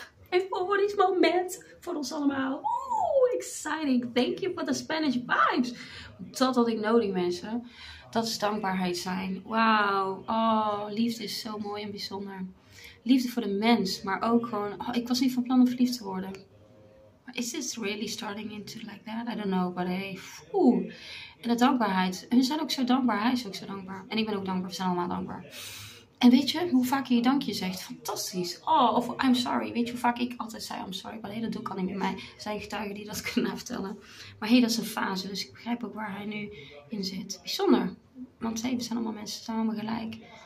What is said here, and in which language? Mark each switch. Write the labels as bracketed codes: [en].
[nl] Even voor dit moment, voor ons allemaal. Oeh, exciting. [en] Thank you for the Spanish vibes. [nl] Want totdat ik nodig, mensen. Dat is dankbaarheid zijn. Wauw. Oh, liefde is zo mooi en bijzonder. Liefde voor de mens, maar ook gewoon... Oh, ik was niet van plan om verliefd te worden. [en] Is this really starting into like that? I don't know, but hey. Oeh. [nl] En de dankbaarheid. Hun zijn ook zo dankbaar. Hij is ook zo dankbaar. En ik ben ook dankbaar. We zijn allemaal dankbaar. En weet je, hoe vaak je dankje zegt. Fantastisch. Oh, of [en] I'm sorry. [nl] Weet je hoe vaak ik altijd zei [en] I'm sorry. [nl] Maar hey, dat doe ik al niet meer. Mij zijn getuigen die dat kunnen vertellen. Maar hey, dat is een fase. Dus ik begrijp ook waar hij nu in zit. Bijzonder. Want hey, we zijn allemaal mensen. We zijn allemaal gelijk.